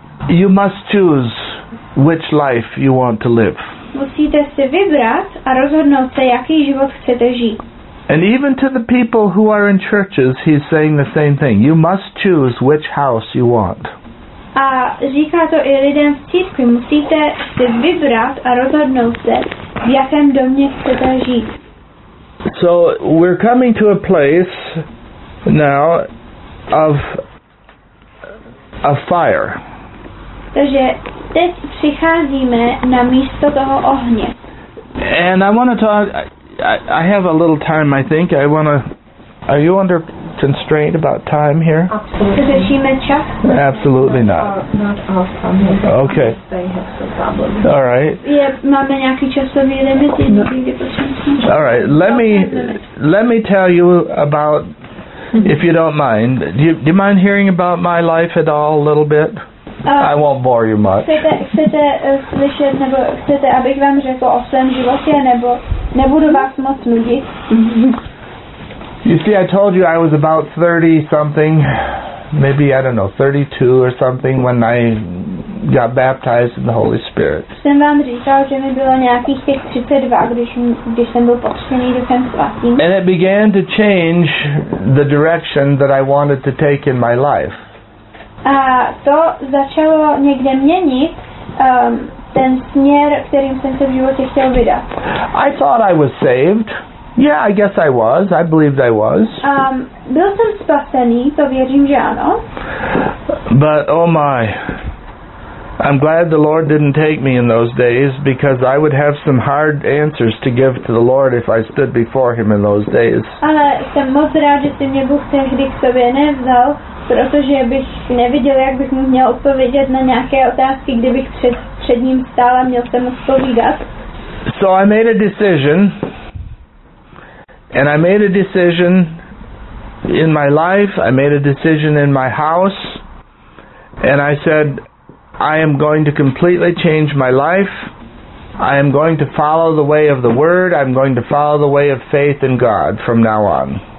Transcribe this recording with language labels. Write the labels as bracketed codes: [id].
[en] You must choose which life you want to live. [cs] Musíte si vybrat a rozhodnout se, jaký život chcete žít. [en] And even to the people who are in churches, he's saying the same thing. You must choose which house you want. [cs] A říká to i lidem v církvi, musíte si vybrat a rozhodnout se, v jakém domě chcete žít. [en] So we're coming to a place now of a fire. [cs] Takže teď přicházíme na místo toho ohně. [en] And I want to talk, I have a little time, I think. I want to, are you under constraint about time here? Absolutely. Because she met Chuck? Absolutely not. Okay. All right. All right. Let me tell you about, if you don't mind. Do you mind hearing about my life at all, a little bit? I won't bore you much. [cs] Chcete slyšet, nebo chcete, abych vám řekl o svém životě, nebo nebudu vás moc nudit? [en] You see, I told you I was about 30-something, maybe, I don't know, 32 or something, when I got baptized in the Holy Spirit. [cs] Jsem vám říkal, že mi bylo nějakých těch 32, když jsem byl pokřtěný Duchem Svatým. [en] And it began to change the direction that I wanted to take in my life. [cs] A to začalo někde měnit ten směr, kterým jsem se v životě chtěl vydat. [en] I thought I was saved. Yeah, I guess I was. I believed I was. [cs] Byl jsem spasený, to věřím, že ano. [en] But, oh my, I'm glad the Lord didn't take me in those days, because I would have some hard answers to give to the Lord if I stood before Him in those days. [cs] Ale jsem moc rád, že si mě Bůh tehdy k sobě nevzal, protože bych neviděl, jak bych mu měl odpovědět na nějaké otázky, kdybych před ním stál a měl se mu odpovídat. [en] So I made a decision. And I made a decision in my life, I made a decision in my house, and I said, I am going to completely change my life, I am going to follow the way of the Word, I'm going to follow the way of faith in God from now on.